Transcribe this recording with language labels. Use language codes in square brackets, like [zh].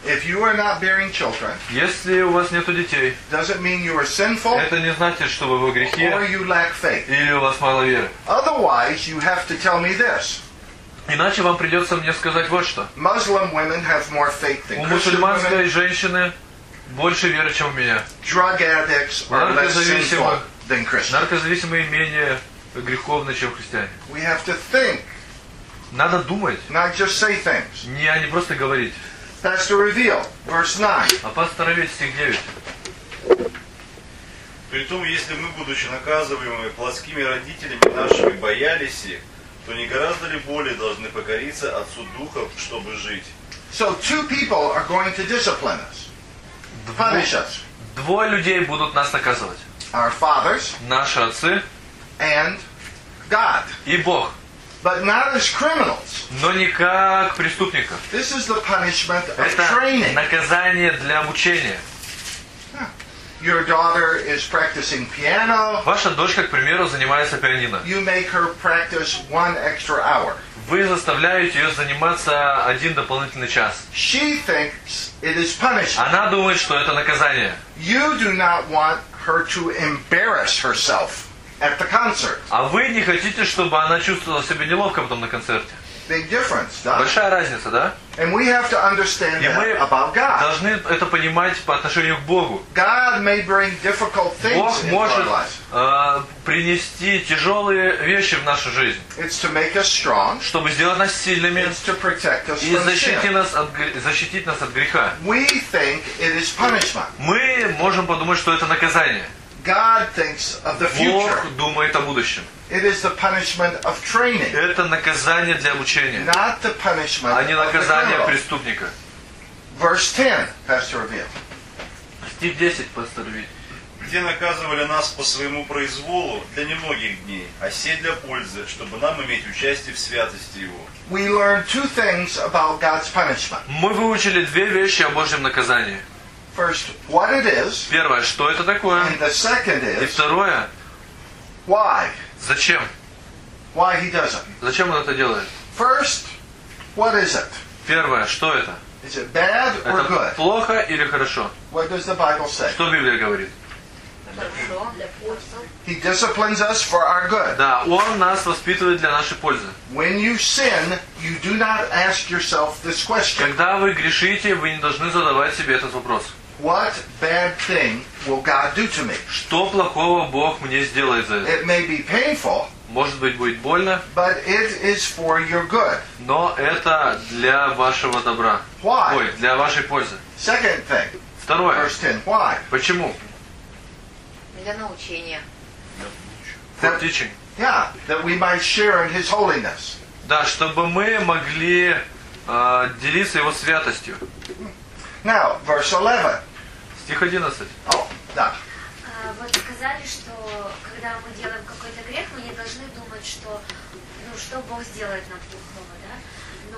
[en] If you are not bearing children, [ru] если у вас нету детей, [en] doesn't mean you are sinful, [ru] это не значит, что вы в грехе, [en] or you lack faith. [ru] Или у вас мало веры. [en] Otherwise, you have to tell me this. [ru] Иначе вам придется мне сказать вот что. [en] Muslim women have more faith than Christian women. [ru] У мусульманской женщины больше веры, чем у меня. [en] Drug addicts are less sinful than Christians. [ru] Наркозависимые менее греховны, чем христиане. [en] We have to think. [ru] Надо думать. [en] Not just say things. [ru] Не просто говорить. [en] Pastor Reveal, verse 9. [ru] Апостол Ревит, стих 9. Притом, если мы, будучи наказываемыми плотскими родителями нашими, боялись их, то не гораздо ли более должны покориться Отцу Духов, чтобы жить? [en] So two people are going to discipline us. Punish us. [ru] Двое людей будут нас наказывать. [en] Our fathers. [ru] Наши отцы. [en] And God. [ru] И Бог. [en] But not as criminals. [ru] Но не как преступников. [en] This is the punishment of [ru] Это [en] training. [ru] Это наказание для обучения. [en] Your daughter is practicing piano. [ru] Ваша дочка, к примеру, занимается пианино. [en] You make her practice one extra hour. [ru] Вы заставляете ее заниматься один дополнительный час. [en] She thinks it is punishment. [ru] Она думает, что это наказание. [en] You do not want her to embarrass herself at the concert. [ru] А вы не хотите, чтобы она чувствовала себя неловко потом на концерте? [en] Big difference, да? [ru] Большая разница, да? [en] And we have to understand [ru] И мы [en] that about God. [ru] Должны это понимать по отношению к Богу. [en] God may bring difficult things [ru] Бог может [en] in our life. [ru] Принести тяжелые вещи в нашу жизнь. [en] It's to make us strong. [ru] Чтобы сделать нас сильными. [en] It's to protect us [ru] И защитить нас от греха. [en] We think it is punishment. [ru] Мы можем подумать, что это наказание. [en] God thinks of the future. [ru] Бог думает о будущем. [en] It is the punishment of training. [ru] Это наказание для обучения. [en] Not the punishment [ru] а не наказание преступника. [en] Verse 10, Pastor Reveal. [ru] Стих 10, Пастор Reveal. Где наказывали нас по своему произволу для немногих дней, а сей для пользы, чтобы нам иметь участие в святости Его. [en] We learned two things about God's punishment. [ru] Мы выучили две вещи о Божьем наказании. [en] First, what it is. [ru] Первое, что это такое. [en] And the second is. [ru] И второе. [en] Why? [ru] Зачем? [en] Why he does it? [ru] Зачем он это делает? [en] First, what is it? [ru] Первое, что это? [en] Is it bad or [ru] это [en] good? [ru] Плохо или хорошо? [en] What does the Bible say? [ru] Что Библия говорит? [en] He disciplines us for our good. [ru] Да, он нас воспитывает для нашей пользы. [en] When you sin, you do not ask yourself this question. [ru] Когда вы грешите, вы не должны задавать себе этот вопрос. [en] What bad thing will God do to me? [ru] Что плохого Бог мне сделает за это? [en] It may be painful. [ru] Может быть, будет больно. [en] But it is for your good. [ru] Но это для вашего добра. [en] Why? [ru] Ой, для вашей пользы. [en] Second thing. [ru] Второе. [en] Verse 10. Why? [ru] Почему? Для научения. [en] For teaching. Yeah, that we might share in His holiness. [ru] Да, чтобы мы могли делиться Его святостью. [en] Now, verse 11. [ru] Стих 11. Oh, да. Вот сказали, что когда мы делаем какой-то грех, мы не должны думать, что, ну, что Бог сделает нам плохого, да?